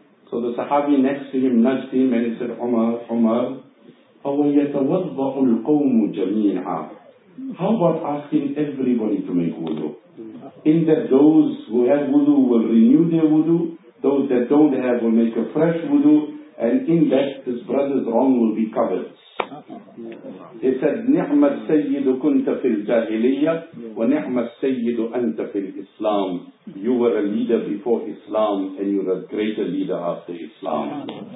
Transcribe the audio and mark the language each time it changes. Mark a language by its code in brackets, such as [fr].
[en] So the Sahabi next to him nudged him and he said, Umar, [ar] فَوَيَتَوَضَّعُ الْقَوْمُ جَمِيعًا. [en] How about asking everybody to make wudu? In that those who have wudu will renew their wudu, those that don't have will make a fresh wudu, and in that, his brother's wrong will be covered. [ar] He said, نِعْمَ السَّيِّدُ كُنْتَ فِي الْجَاهِلِيَّةِ وَنِعْمَ السَّيِّدُ أَنْتَ فِي الْإِسْلَامِ. [en] You were a leader before Islam, and you're a greater leader after Islam.